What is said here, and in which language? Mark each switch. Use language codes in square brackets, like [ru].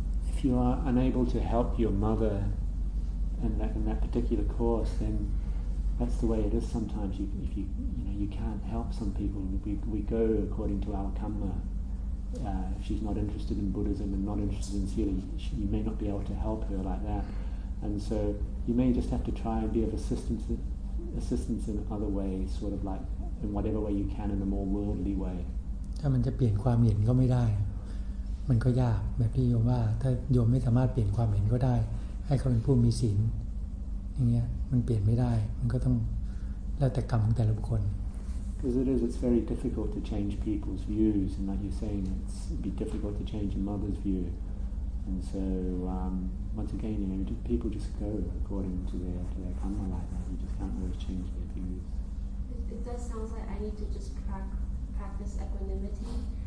[en] If you are unable to help your mother in that particular course then that's the way it is sometimes if you can't help some people we go according to our karmaIf she's not interested in Buddhism and not interested in Sila, you may not be able to help her like that. And so you may just have to try and be of assistance in other ways, sort of like in whatever way you can, in a more worldly way. [th] ถ้ามันจะเปลี่ยนความเห็นก็ไม่ได้มันก็ยากแบบที่โยมว่าถ้าโยมไม่สามารถเปลี่ยนความเห็นก็ได้ให้เขาเป็นผู้มีศีลอย่างเงี้ยมันเปลี่ยนไม่ได้มันก็ต้องแล้วแต่กรรมของแต่ละบุคคล [en] Because it is, it's very difficult to change people's views, and like you're saying, it's be difficult to change a mother's view. And so, once again, people just go according to their karma like that. You just can't always change their views. It does sound like I need to just practice equanimity.